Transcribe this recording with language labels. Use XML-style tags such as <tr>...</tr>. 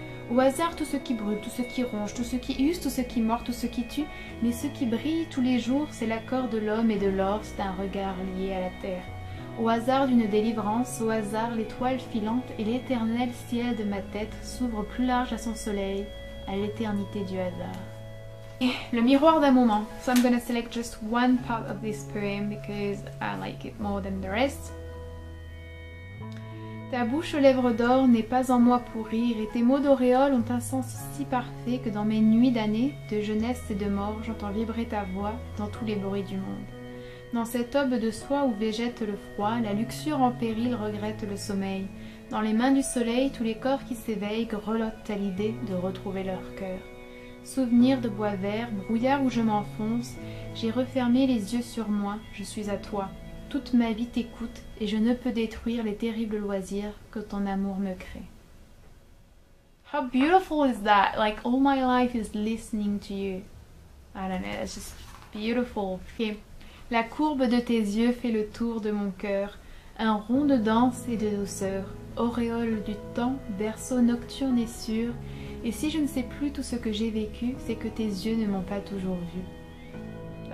<fr>Au hasard, tout ce qui brûle, tout ce qui ronge, tout ce qui use, tout ce qui mord, tout ce qui tue, mais ce qui brille tous les jours, c'est l'accord de l'homme et de l'or, c'est un regard lié à la terre. Au hasard d'une délivrance, au hasard, l'étoile filante et l'éternel ciel de ma tête s'ouvrent plus large à son soleil, à l'éternité du hasard. Le miroir d'un moment.</fr> <en>So I'm gonna select just one part of this poem because I like it more than the rest.</en> <fr>Ta bouche aux lèvres d'or n'est pas en moi pour rire et tes mots d'auréole ont un sens si parfait que dans mes nuits d'années, de jeunesse et de mort, j'entends vibrer ta voix dans tous les bruits du monde. Dans cette aube de soie où végète le froid, la luxure en péril regrette le sommeil. Dans les mains du soleil, tous les corps qui s'éveillent grelottent à l'idée de retrouver leur cœur. Souvenir de bois vert, brouillard où je m'enfonce, j'ai refermé les yeux sur moi, je suis à toi. Toute ma vie t'écoute et je ne peux détruire les terribles loisirs que ton amour me crée.</fr> <en>How beautiful is that? Like all my life is listening to you. I don't know, that's just beautiful. Okay.</en> <fr>La courbe de tes yeux fait le tour de mon cœur, un rond de danse et de douceur, auréole du temps, berceau nocturne et sûr. Et si je ne sais plus tout ce que j'ai vécu, c'est que tes yeux ne m'ont pas toujours vu.</fr>